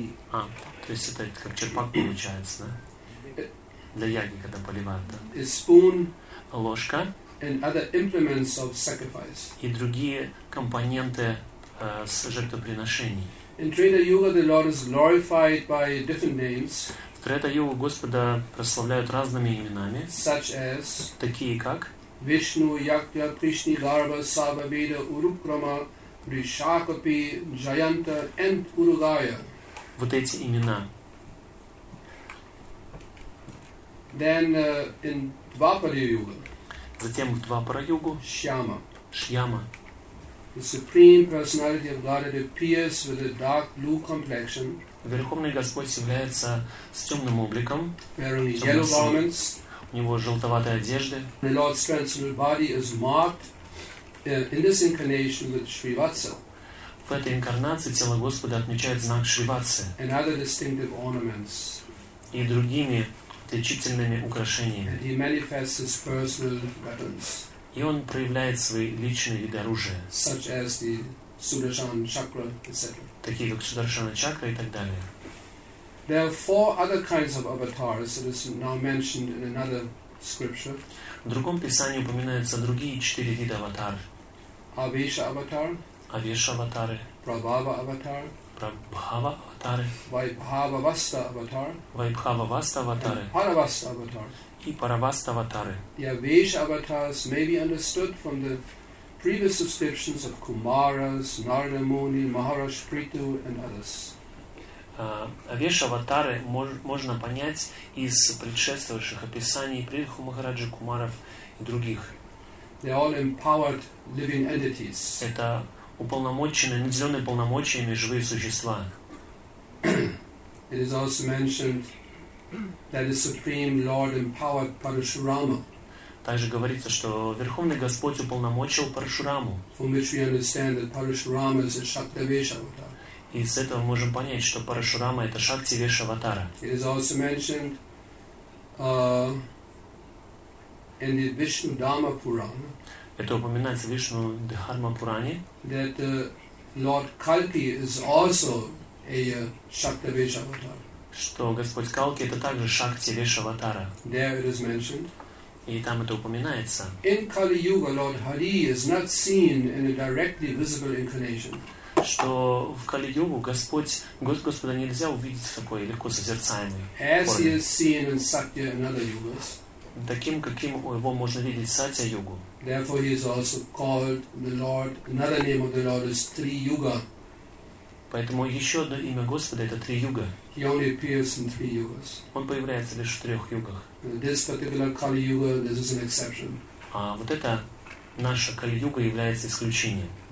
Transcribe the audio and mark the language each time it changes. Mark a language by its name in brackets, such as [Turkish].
[Russian] То есть это как черпак получается, да? Для яги, когда поливают, да? Ложка [English] and other implements of sacrifice. [Russian] И другие компоненты с жертвоприношений. [English] In Treta Yuga, the Lord is glorified by different names. [Russian] В Трета-Югу Господа прославляют разными именами, [English] such as [Russian] такие как [English] Vishnu, Yakya, Krishni, Garba, Sava, Veda, Urukrama, Rishakapi, Jayanta, and Urugaya. [Russian] Вот эти имена. [English] Then in Dvapara Yuga. [Russian] Затем в Двапара Югу. [English] Shyama. [Russian] Shyama. [English] The Supreme Personality of Godhead appears with a dark blue complexion. [Russian] Верховный Господь является с темным обликом. [English] Wearing yellow garments. [Russian] У него желтоватые одежды. [English] The Lord's transcendental body is marked in this incarnation with Shri Vatsa. [Russian] В этой инкарнации тело Господа отмечает знак Шри Ватса. [English] And other distinctive ornaments. [Russian] И другими отличительными украшениями. [English] And he manifests his personal weapons. [Russian] И он проявляет свои личные виды оружия. [English] Such as the Sudarshan chakra, etc. [Russian] Такие как Сударшана чакра и так далее. [English] There are four other kinds of avatars that is now mentioned in another scripture. [Russian] В другом писании упоминаются другие четыре вида аватар. [English] Авеша аватар. [Russian] Авеша аватары. [English] Прабхава аватар. [Russian] Прабхава аватары. [English] Вайбхава васта аватар. [Russian] Вайбхава васта аватары. [English] Параваста аватар. [Russian] И параваста аватары. [English] The Авеша avatars may be understood from the previous descriptions of Kumaras, Narada Muni, Maharaj Prithu and others. [Russian] Авеша-аватары можно понять из предшествующих описаний Приху Махараджи, Кумаров и других. [English] They are all empowered living entities. [Russian] Это уполномоченные, наделенные полномочиями живые существа. [English] It is also mentioned that the Supreme Lord empowered Parashurama. [Russian] Также говорится, что Верховный Господь уполномочил Парашураму. [English] From which we understand that Parashurama is a Shaktavesha-аватар. [Russian] И с этого можем понять, что Парашурама — это Шакти Веша Аватара. [English] It is also mentioned in the Vishnu Dharma Purana. [Russian] Это упоминается в Вишну Дхарма Пуране. [English] That Lord Kalki is also a Shakti Vesha Avatar. [Russian] Что Господь Калки — это также Шакти Веша Аватара. [English] There it is mentioned. [Russian] И там это упоминается. [English] In Kali Yuga, Lord Hari is not seen in a directly visible incarnation. [Russian] Что в Кали-йогу Господа нельзя увидеть в такой легко созерцаемой форме. Таким, каким его можно видеть в Сатья-йогу. [English] Therefore he is also called the Lord, another name of the Lord is Tri-yuga. [Russian] Поэтому еще одно имя Господа это Три-юга. [English] He only appears in three yugas. [Russian] Он появляется лишь в трех югах. [English] This particular Kali-yuga, this is an exception. [Russian] А вот это наша Кали-юга является исключением.